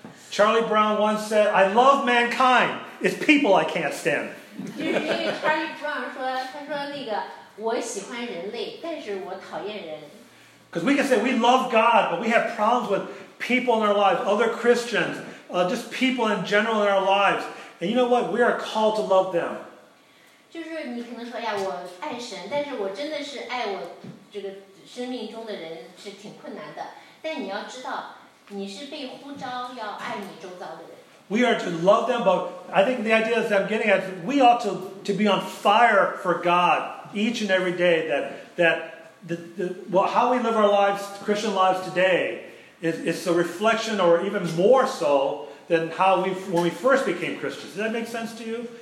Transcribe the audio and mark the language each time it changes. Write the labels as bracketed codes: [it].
[en] Charlie Brown once said, I love mankind. It's people I can't stand. Because we can say we love God, but we have problems with people in our lives, other Christians, just people in general in our lives. And you know what? We are called to love them. [zh] 就是你可能说呀，我爱神，但是我真的是爱我这个生命中的人是挺困难的。但你要知道，你是被呼召要爱你周遭的人。 [en] We are to love them, but I think the idea that I'm getting at, we ought to be on fire for God each and every day. That how we live our lives, Christian lives today, is a reflection, or even more so. Than how we when we first became Christians. Does that make sense to you?